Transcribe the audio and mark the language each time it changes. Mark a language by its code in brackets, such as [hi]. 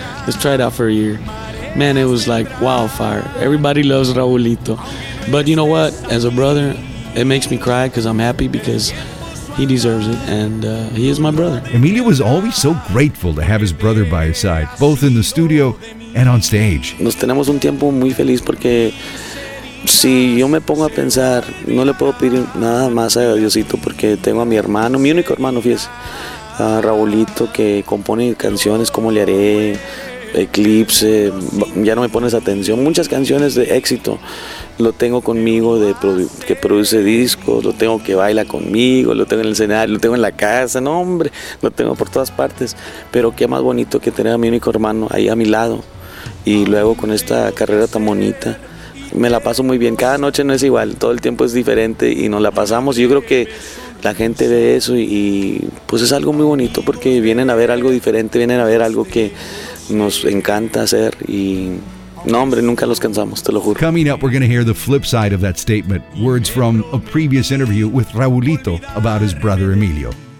[en] Let's try it out for a year. Man, it was like wildfire. Everybody loves Raulito. But you know what? As a brother, it makes me cry because I'm happy because he deserves it. And he is my brother. Emilio was always so grateful to have his brother by his side, both in the studio and on stage. [es] Nos tenemos un tiempo muy feliz porque... Si yo me pongo a pensar, no le puedo pedir nada más a Diosito porque tengo a mi hermano, mi único hermano, fíjese, a Raulito, que compone canciones como Le Haré, Eclipse, Ya No Me Pones Atención, muchas canciones de éxito. Lo tengo conmigo, que produce discos, lo tengo que baila conmigo, lo tengo en el escenario, lo tengo en la casa, no hombre, lo tengo por todas partes. Pero qué más bonito que tener a mi único hermano ahí a mi lado y luego con esta carrera tan bonita. Me la paso muy bien, cada noche no es igual, todo el tiempo es diferente y nos la pasamos. Yo creo que la gente ve eso y pues es algo muy bonito porque vienen a ver algo diferente, vienen a ver algo que nos encanta hacer y no hombre, nunca los cansamos, te lo juro. [en] Coming up, we're going to hear the flip side of that statement, words from a previous interview with Raulito about his brother Emilio.